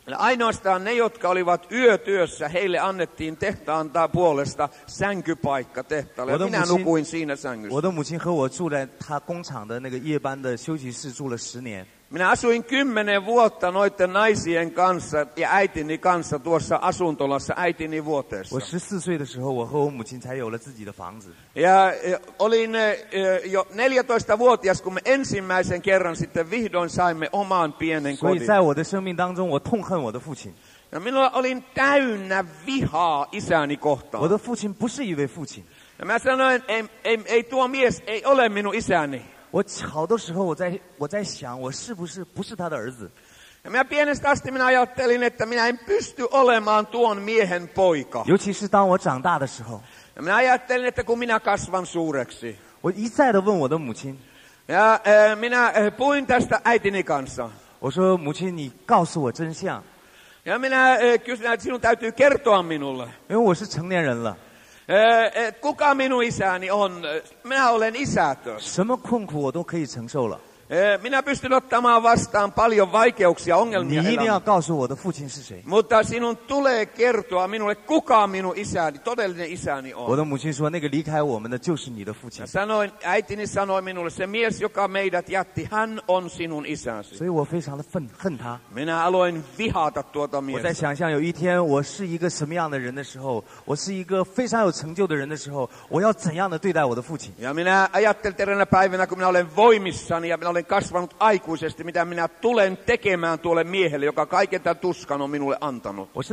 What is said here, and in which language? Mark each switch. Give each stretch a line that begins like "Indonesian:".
Finnish: Ainoastaan ne, jotka olivat yötyössä, heille annettiin tehtaan puolesta sänkypaikka tehtaalle. Ja minä nukuin siinä sängyssä. Minä asuin 10 vuotta noiden naisien kanssa ja äitini kanssa tuossa asuntolassa äitini vuoteessa.
Chinese: 我14岁的时候，我和我母亲才有了自己的房子。
Finnish: Ja olin jo 14-vuotias, kun me ensimmäisen kerran sitten vihdoin saimme oman pienen kodin.
Chinese: 所以在我的生命当中，我痛恨我的父亲。
Finnish: Ja minulla olin täynnä vihaa isäni kohtaan.
Chinese: 我的父亲不是一位父亲。
Finnish: Ja mä sanoin, ei tuo mies ei ole minun isäni.
Chinese: 我好多时候我在想我是不是不是他的儿子。
Finnish: Minä pienestä asti minä ajattelin, että minä en pysty olemaan tuon miehen poika.
Chinese: 尤其是当我长大的时候。
Finnish: Minä ajattelin, että kun minä kasvan suureksi.
Chinese: 我一再地问我的母亲。
Finnish: Ja minä puhuin tästä äitini kanssa.
Chinese: 我说母亲你告诉我真相。
Finnish: Ja minä kysyin, että sinun täytyy kertoa minulle.
Chinese: 因为我是成年人了。
Finnish: Kuka minun isäni on? Minä olen isätön.
Chinese: 什么困苦我都可以承受了。
Finnish: Minä pystyn ottamaan vastaan paljon vaikeuksia, ongelmia elämässä. Mutta sinun tulee kertoa minulle, kuka minun isäni, todellinen isäni on.
Chinese: 我的母亲说, 那个离开我们的就是你的父亲。
Finnish: Sanoin, äitini sanoi minulle, se mies, joka meidät jätti, hän on sinun isäsi.
Chinese: 所以我非常的恨他。
Finnish: Minä aloin vihata tuota miestä.
Chinese: 我在想象有一天我是一个什么样的人的时候，我是一个非常有成就的人的时候，我要怎样的对待我的父亲？
Finnish: Ja minä ajattelin eräänä päivänä, kun minä olen voimissani ja minä olen kasvanut aikuisesti, mitä minä tulen tekemään tuolle miehelle, joka kaiken tämän tuskan on minulle antanut.